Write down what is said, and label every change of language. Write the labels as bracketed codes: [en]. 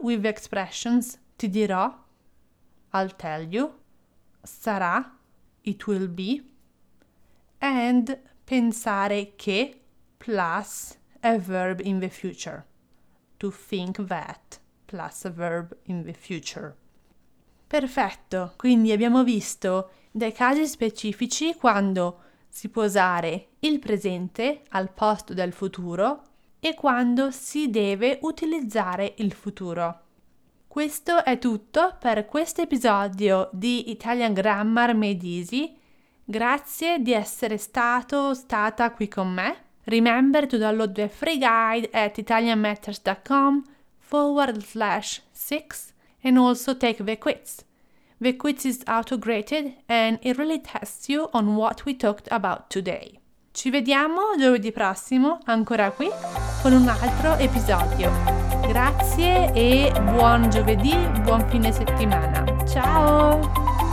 [en] With expressions [it] ti dirò, [en] I'll tell you, sarà, it will be, and pensare che plus a verb in the future, to think that plus a verb in the future. [it] Perfetto, quindi abbiamo visto dei casi specifici quando si può usare il presente al posto del futuro e quando si deve utilizzare il futuro. Questo è tutto per questo episodio di Italian Grammar Made Easy. Grazie di essere stato o stata qui con me. [en] Remember to download the free guide at italianmatters.com/6 and also take the quiz. The quiz is auto-graded and it really tests you on what we talked about today. [it] Ci vediamo giovedì prossimo, ancora qui, con un altro episodio. Grazie e buon giovedì, buon fine settimana. Ciao!